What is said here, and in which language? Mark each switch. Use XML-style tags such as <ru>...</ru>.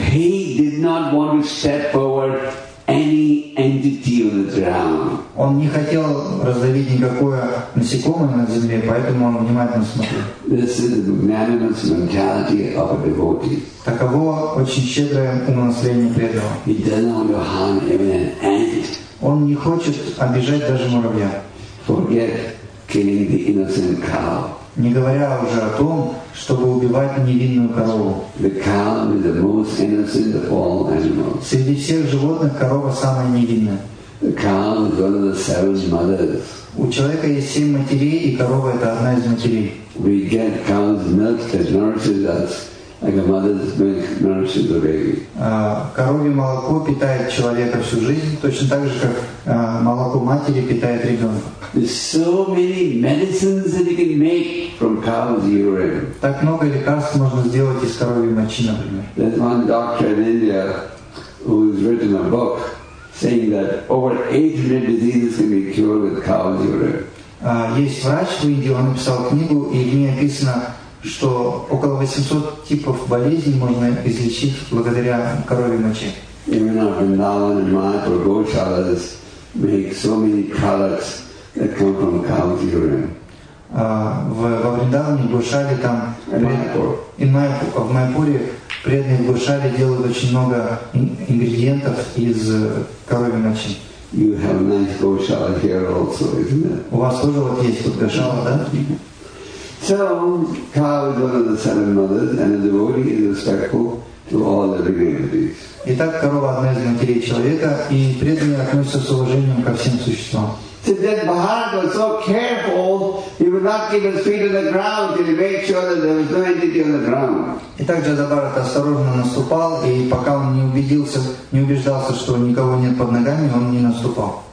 <en>He did not want to step forward any entity on the ground.</en> <ru>Он не хотел раздавить никакое насекомое на земле, поэтому он внимательно смотрел.</ru> <en>This is the magnanimous mentality of a devotee.</en> <ru>Таково очень щедрое умонастроение преданного.</ru> <en>He does not want to harm even an ant.</en> <ru>Он не хочет обижать даже муравья.</ru> <en>Forget killing the innocent cow.</en> <ru>Не говоря уже о том, чтобы убивать невинную корову.</ru> <en>The cow is the most innocent of all animals.</en> <ru>Среди всех животных корова самая невинная.</ru> <en>The cow is one of the seven mothers.</en> <ru>У человека есть семь матерей, и корова это одна из матерей.</ru> <en>We get cow's milk that nourishes us, like a mother's milk nourishes the baby.</en> <ru>Коровье молоко питает человека всю жизнь, точно так же, как молоко матери питает ребенка.</ru> <en>There's so many medicines that you can make from cow's urine.</en> <ru>Так много лекарств можно сделать из коровьей мочи, например.</ru> <en>There's one doctor in India who has written a book saying that over 800 diseases can be cured with cow's urine.</en> <ru>Есть врач в Индии, он написал книгу, и в ней описано, что около 800 типов болезней можно излечить благодаря коровьей моче.</ru> <en>Even our Vrindavan and Mayapur Goshalas make so many products that come from cow's urine.</en> <ru>Во Вриндаване, в Гошале, там, в Майпуре, преданные в Гошале делают очень много ингредиентов из коровьей мочи.</ru> <en>You have a nice Goshala here also, isn't it?</en> <ru>У вас тоже вот есть вот Гошала, да?</ru> <en>So, cow is one of the seven mothers, and a devotee is respectful to all living entities.</en> <ru>Итак, корова одна из матерей человека, и преданные относятся с уважением ко всем существам.</ru> <en>So that Bharat was so careful, he would not keep his feet on the ground till he made sure that there was no entity on the ground.</en> <ru>Итак, Джадабарат осторожно наступал, и пока он не убеждался, что никого нет под ногами, он не наступал.</ru>